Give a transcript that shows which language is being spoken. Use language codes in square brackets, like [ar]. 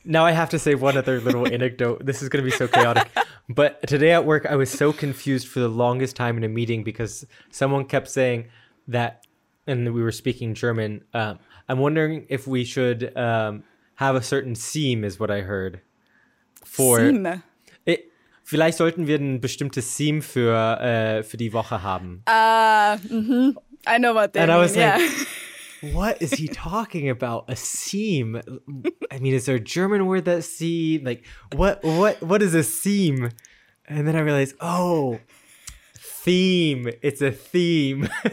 [en] Now I have to say one other little anecdote. This is going to be so chaotic. But today at work, I was so confused for the longest time in a meeting because someone kept saying that, and we were speaking German. I'm wondering if we should have a certain seam is what I heard. For seam? [de] Vielleicht sollten wir ein bestimmtes Seam für die Woche haben. [en] I know what they mean. And I was like, what is he talking about? A seam? I mean, is there a German word that seam? Like, what is a seam? And then I realized, oh, theme. It's a theme.